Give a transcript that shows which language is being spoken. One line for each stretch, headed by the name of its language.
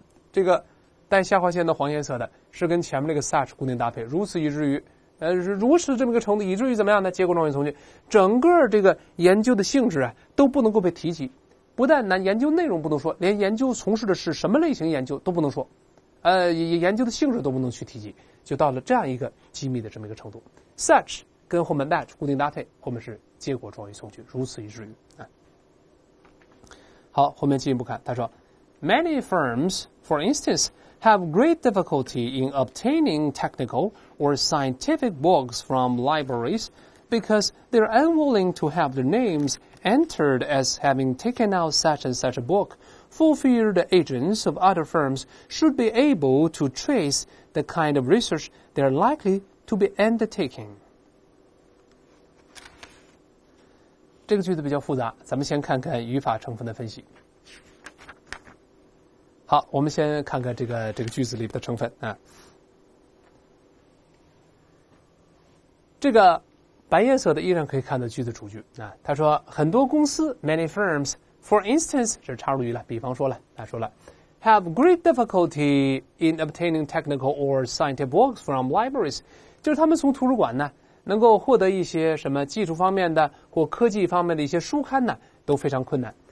Chinese: 这个带下划线的黄颜色的是跟前面那个 such 固定搭配，如此以至于如此这么一个程度，以至于怎么样呢？结构状语从句整个这个研究的性质啊都不能够被提及，不但难研究内容不能说，连研究从事的是什么类型研究都不能说，研究的性质都不能去提及，就到了这样一个机密的这么一个程度。
English: Such
Chinese: 跟后面 that 固定搭配，后面是结果状语从句，如此以至于、好，后面进一步看，他说
English: ，Many firms, for instance, have great difficulty in obtaining technical or scientific books from libraries because they are unwilling to have their names. Entered as having taken out such and such a book, for fear the agents of other firms should be able to trace the kind of research they are likely to be undertaking.
Chinese: 这个句子比较复杂，咱们先看看语法成分的分析。好，我们先看看这个句子里的成分啊。这个白颜色的依然可以看到句子主句啊，他说很多公司
English: many firms for instance
Chinese: 是插入语了，比方说了，他说了
English: have great difficulty in obtaining technical or scientific books from libraries，
Chinese: 就是他们从图书馆呢能够获得一些什么技术方面的或科技方面的一些书刊呢都非常困难。